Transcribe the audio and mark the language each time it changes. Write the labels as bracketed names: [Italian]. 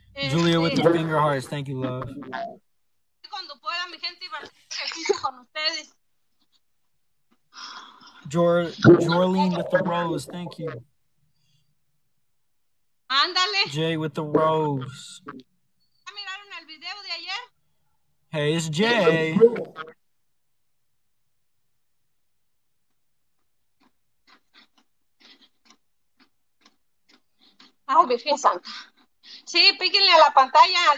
[English] Julia with the finger hearts, thank you, love. [Spanish] Cuando pueda, mi gente, iba a hacer ejercicio con ustedes. [English] Jorlene with the rose, thank you. [Spanish] Andale. [English] Jay with the rose. [Spanish] ¿Miraron el video de ayer? [English] Hey, it's Jay. [Spanish] Ay, Virgen Santa. Sí, píquenle a la pantalla.